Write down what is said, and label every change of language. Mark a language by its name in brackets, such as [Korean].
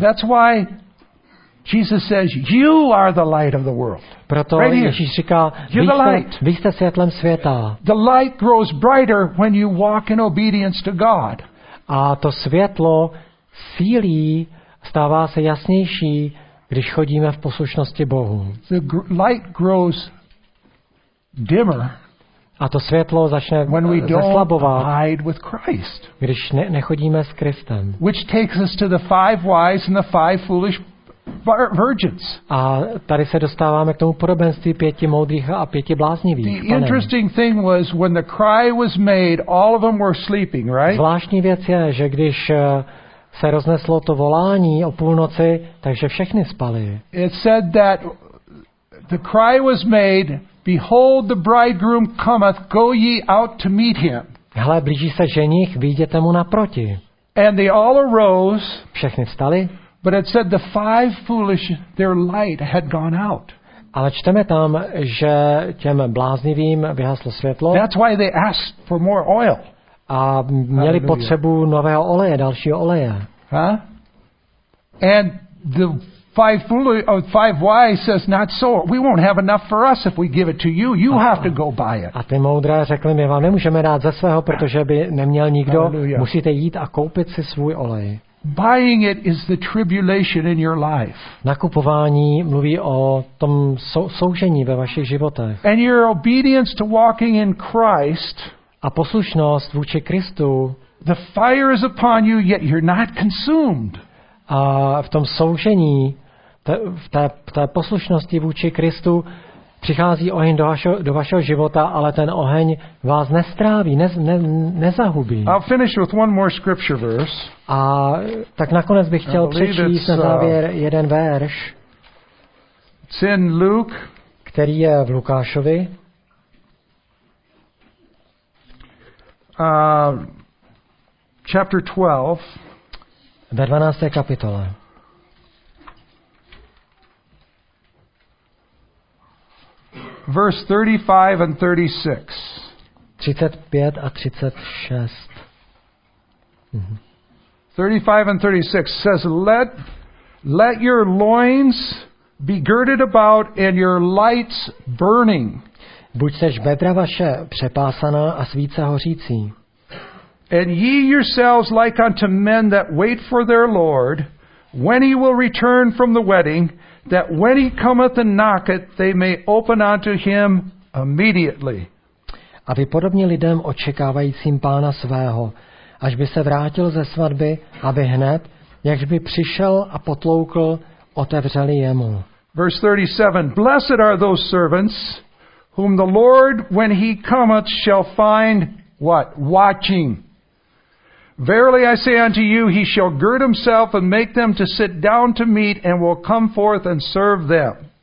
[English] That's why Jesus says, "You are the light of the world." [Czech] Proto Ježíš říká, vy jste světlem světa. [English] The light grows brighter when you walk in obedience to God. [Czech] A to světlo sílí, stává se jasnější, když chodíme v poslušnosti Bohu. [English] The light grows dimmer. [Czech] A to světlo začne zeslabovat, když nechodíme s Kristem. [English] Which takes us to the five wise and the five foolish virgins. [Czech] A tady se dostáváme k tomu podobenství pěti moudrých a pěti bláznivých. [English] The interesting thing was when the cry was made, all of them were sleeping, right? [Czech] Zvláštní věc je, že když se rozneslo to volání o půlnoci, takže všichni spali. [English] It said that the cry was made, behold the bridegroom cometh, go ye out to meet him. [Czech] Hle, blíží se ženich, vyjděte mu naproti. [English] And they all arose. [Czech] Všichni vstali. [English] But it said the five foolish, their light had gone out. [Czech] Ale čteme tam, že těm bláznivým vyhaslo světlo. [English] That's why they asked for more oil. [Czech] A měli potřebu nového oleje, dalšího oleje. Huh? [English] And the five foolish, five wise says, not so. We won't have enough for us if we give it to you. You have to go buy it. [Czech] A ty moudré řekli, my vám nemůžeme dát ze svého, protože by neměl nikdo. Hallelujah. Musíte jít a koupit si svůj olej. [English] Buying it is the tribulation in your life. [Czech] Nakupování mluví o tom soužení ve vašich životech. [English] And your obedience to walking in Christ. [Czech] A poslušnost vůči Kristu. [English] The fire is upon you, yet you're not consumed. [Czech] A v tom soužení, v té poslušnosti vůči Kristu přichází oheň do vašeho života, ale ten oheň vás nestráví, nezahubí. [English] I'll finish with one more scripture verse. [Czech] A tak nakonec bych chtěl přečíst na závěr jeden verš. [English] It's in Luke, [Czech] který je v Lukášovi. [English] Chapter 12. [Czech] Ve 12. kapitole. [English] Verse 35 and 36. [Czech] 35 a 36. Mm-hmm. [English] 35 and 36 says, let your loins be girded about and your lights burning. [Czech] Buďteš bedra vaše přepásaná a svíce hořící. [English] And ye yourselves like unto men that wait for their Lord, when he will return from the wedding, that when he cometh and knocketh, they may open unto him immediately. [Czech] A vy podobně lidem očekávajícím pána svého, až by se vrátil ze svatby, aby hned, jakž by přišel a potloukl, otevřeli jemu. [English] Verse 37, blessed are those servants, whom the Lord, when he cometh, shall find, what? Watching. Verily I say unto you, he shall gird himself and make them to sit down to meat and will come forth and serve them.